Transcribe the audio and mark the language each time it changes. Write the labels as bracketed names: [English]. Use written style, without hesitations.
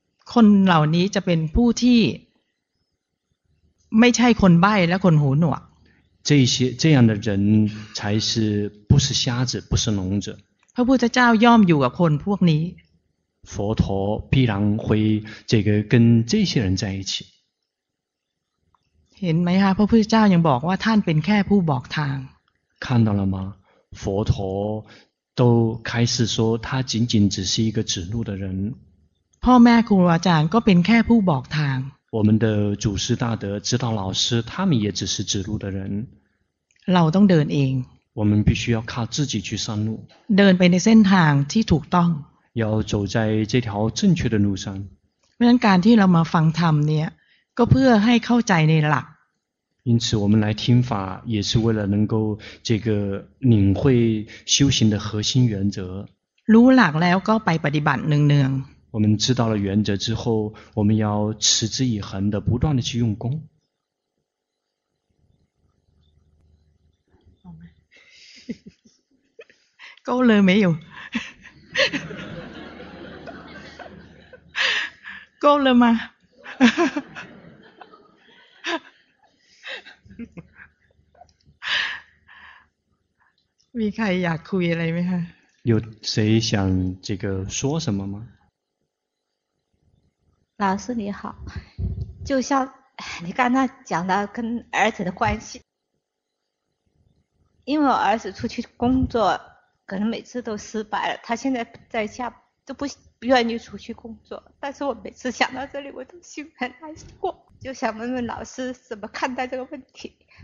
[Thai] คนเหล่านี้จะเป็นผู้ที่ไม่ใช่คนใบ้และคนหูหนวก [Chinese] 这些这样的人才是不是瞎子不是聋子 [Thai] พระพุทธเจ้าย่อมอยู่กับคนพวกนี้ [Chinese] 佛陀必然会这个跟这些人在一起 [Thai] เห็นไหมคะพระพุทธเจ้ายังบอกว่าท่านเป็นแค่ผู้บอกทาง [Chinese] 看到了吗佛陀都开始说他仅仅只是一个指路的人 [Thai] พ่อแม่ครูอาจารย์ก็เป็นแค่ผู้บอกทาง [Chinese] 我们的祖师大德指导老师他们也只是指路的人 [Thai] เราต้องเดินเอง [Chinese] 我们必须要靠自己去上路 [Thai] เดินไปในเส้นทางที่ถูกต้อง [Chinese] 要走在这条正确的路上 [Thai] เพราะฉะนั้นการที่เรามาฟังธรรมเนี่ยก็เพื่อให้เข้าใจในหลัก [Chinese] 因此我们来听法也是为了能够这个领会修行的核心原则 [Thai] รู้หลักแล้วก็ไปปฏิบัติเนือง [Chinese] ๆ我们知道了原则之后我们要持之以恒的不断的去用功够了没有够了吗 [Thai] มีใครอยากคุยอะไรไหมคะ [Chinese] 有谁想这个说什么吗老师你好就像你刚才讲的跟儿子的关系因为我儿子出去工作可能每次都失败了他现在在家都不愿意出去工作但是我每次想到这里我都心很难过就想问问老师怎么看待这个问题